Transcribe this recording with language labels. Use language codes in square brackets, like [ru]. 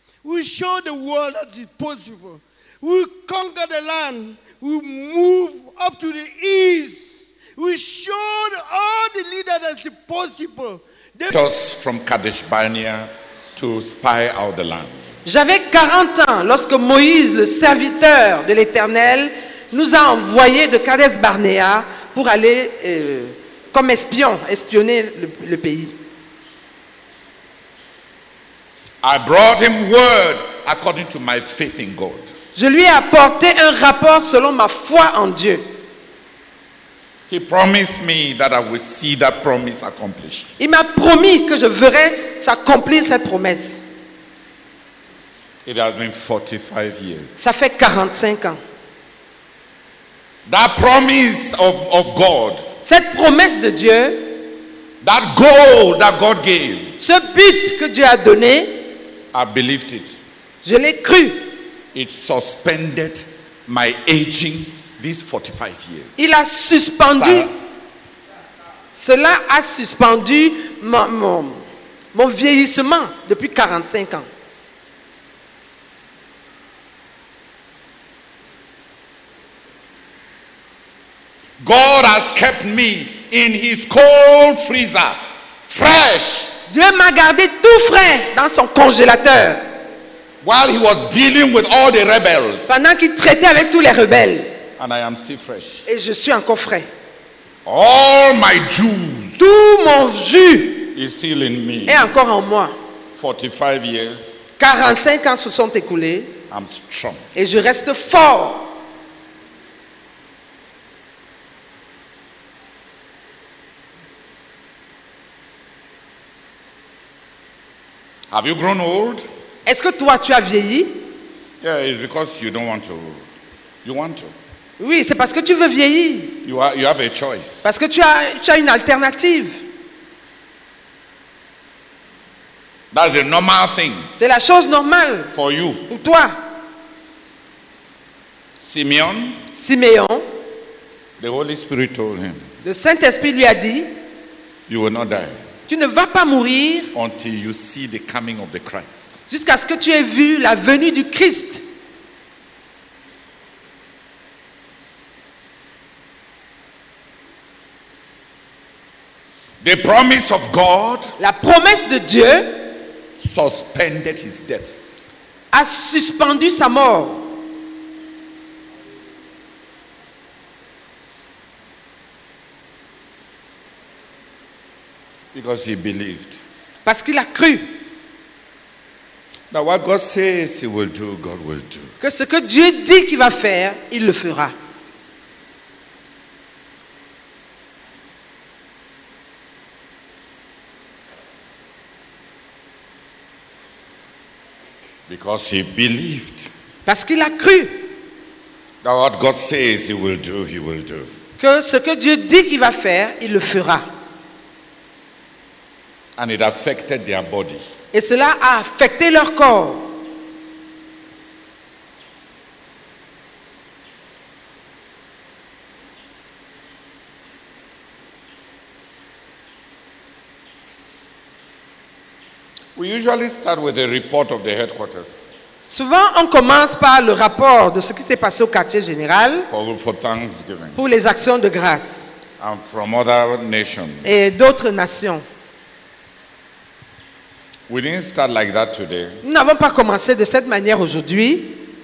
[en] We show the world that it is possible. We conquer the land. We move up to the east. We show all the leaders that it's possible. Took us from Kadesh Barnea to spy out the land. [fr] J'avais 40 ans lorsque Moïse, le serviteur de l'Éternel, nous a envoyés de Kadesh Barnea pour aller comme espion, espionner le pays. [en] I brought him word according to my faith in God. [fr] Je lui ai apporté un rapport selon ma foi en Dieu. [en] He promised me that I would see that promise accomplished. [fr] Il m'a promis que je verrai s'accomplir cette promesse. [en] It has been 45 years. [fr] Ça fait 45 ans. [en] That promise of God. [fr] Cette promesse de Dieu. [en] That goal that God gave. [fr] Ce but que Dieu a donné. [en] I believed it. [fr] Je l'ai cru. [en] It suspended my aging these 45 years. [fr] Il a suspendu. Cela a suspendu mon vieillissement depuis 45 ans. [en] God has kept me in his cold freezer, fresh. [fr] Dieu m'a gardé tout frais dans son congélateur. [en] While he was dealing with all the rebels. [fr] Pendant qu'il traitait avec tous les rebelles. [en] And I am still fresh. [fr] Et je suis encore frais. [en] All my juice. [fr] Tout mon jus. [en] Is still in me. [fr] Est encore en moi. [en] 45 years. [fr] 45 ans se sont écoulés. [en] I'm strong. [fr] Et je reste fort. [en] Have you grown old? [fr] Est-ce que toi tu as vieilli? [en] Yeah, it's because you don't want to. You want to. [fr] Oui, c'est parce que tu veux vieillir. [en] You have a choice. [fr] Parce que tu as une alternative. [en] That's a normal thing. [fr] C'est la chose normale. [en] For you. [fr] Pour toi. [en] Simeon. The Holy Spirit told him. [fr] Le Saint-Esprit lui a dit. [en] You will not die. [fr] Tu ne vas pas mourir [en] until you see the coming of the Christ. [fr] Jusqu'à ce que tu aies vu la venue du Christ. [en] The promise of God. [fr] La promesse de Dieu. [en] Suspended his death. [fr] A suspendu sa mort. [en] Because he believed. [fr] Parce qu'il a cru. [en] Now what God says he will do, God will do. [fr] Que ce que Dieu dit qu'il va faire, il le fera. [en] Because he believed. [fr] Parce qu'il a cru. [en] Now what God says he will do, he will do. [fr] Que ce que Dieu dit qu'il va faire, il le fera. [en] And it affected their body. [fr] Et cela a affecté leur corps. [en] We usually start with a report of the headquarters. [fr] Souvent, on commence par le rapport de ce qui s'est passé au quartier général [en] for Thanksgiving. [fr] Pour les actions de grâce. [en] And from other nations. [fr] Et d'autres nations. [en] We didn't start like that today. [fr] Nous n'avons pas commencé de cette manière aujourd'hui.